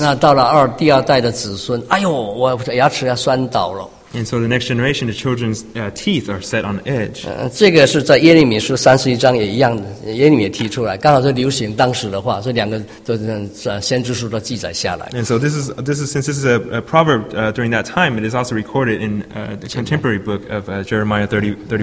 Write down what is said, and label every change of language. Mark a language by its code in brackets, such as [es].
[zh] 那到了第二代的子孙, 哎呦, 我牙齿要酸倒了。 [en] And so the next generation, the children's teeth are set on edge. [zh] 这个是在耶利米书31章也一样，耶利米也提出来，刚好是流行当时的话，所以两个都是先知书都记载下来。 [en] And so this is a proverb during that time. It is also recorded in the contemporary book of Jeremiah 31.